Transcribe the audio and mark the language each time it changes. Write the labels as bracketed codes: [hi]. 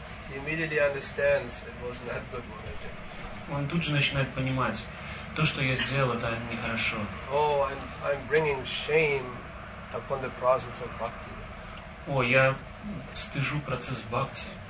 [en] He immediately understands it was not good what I did. [ru] Он тут же начинает понимать, то, что я сделал, это нехорошо. [en] Oh, I'm bringing shame upon the process of bhakti. [ru] о, я стыжу процесс бхакти.